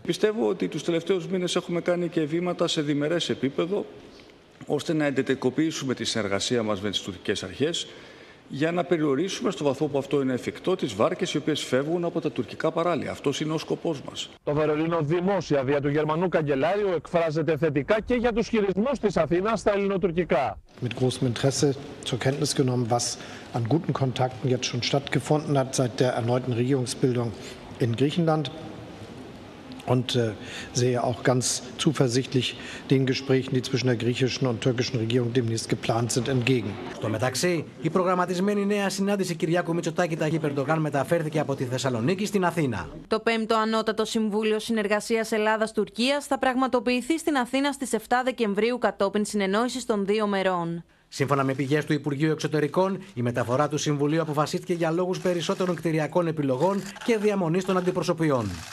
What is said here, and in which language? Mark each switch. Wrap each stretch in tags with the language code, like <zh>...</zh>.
<el>Πιστεύω ότι τους τελευταίους μήνες έχουμε κάνει και βήματα σε διμερές επίπεδο, ώστε να εντετικοποιήσουμε τη συνεργασία μας με τις τουρκικές αρχές, για να περιορίσουμε στο βαθμό που αυτό είναι εφικτό τις βάρκες οι οποίες φεύγουν από τα τουρκικά παράλια. Αυτός είναι ο σκοπός μας. Το Βερολίνο δημόσια δια του Γερμανού καγκελάριου εκφράζεται θετικά και για τους χειρισμούς της Αθήνας στα ελληνοτουρκικά.</el> <de>Με großem Interesse zur Kenntnis genommen, was an guten Kontakten jetzt schon stattgefunden hat seit der erneuten Regierungsbildung in Griechenland. Und sehe auch ganz zuversichtlich den Gesprächen, die zwischen der griechischen und türkischen Regierung demnächst geplant sind, entgegen.</de> <el>Στο μεταξύ, η προγραμματισμένη νέα συνάντηση Κυριάκου Μητσοτάκη Ταγίπ Ερντογάν μεταφέρθηκε από τη Θεσσαλονίκη στην Αθήνα. Το 5ο Ανώτατο Συμβούλιο Συνεργασίας Ελλάδας-Τουρκίας θα πραγματοποιηθεί στην Αθήνα στις 7 Δεκεμβρίου κατόπιν συνεννόησης των δύο μερών. Σύμφωνα με πηγές του Υπουργείου Εξωτερικών, η μεταφορά του Συμβουλίου αποφασίστηκε για λόγους περισσότερων κτηριακών επιλογών και διαμονής των αντιπροσωπιών.</el>